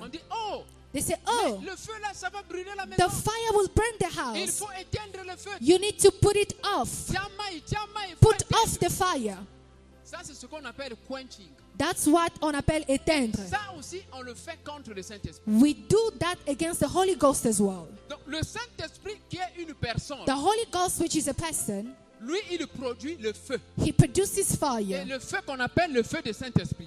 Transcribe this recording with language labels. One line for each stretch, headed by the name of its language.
French: On dit oh.
English: They say oh.
French: Mais le feu là, ça va brûler la maison.
English: The fire will burn the house.
French: Il faut éteindre le feu.
English: You need to put it off.
French: Tiens-moi,
English: put off the fire.
French: Ça c'est ce qu'on appelle quenching.
English: That's what
French: on appelle éteindre. Ça aussi, on le fait contre le Saint-Esprit.
English: We do that against the Holy Ghost as well.
French: Donc, le Saint-Esprit qui est une personne,
English: the Holy Ghost which is a person,
French: lui, il produit le feu.
English: He produces fire.
French: Et le feu qu'on appelle le feu du Saint-Esprit.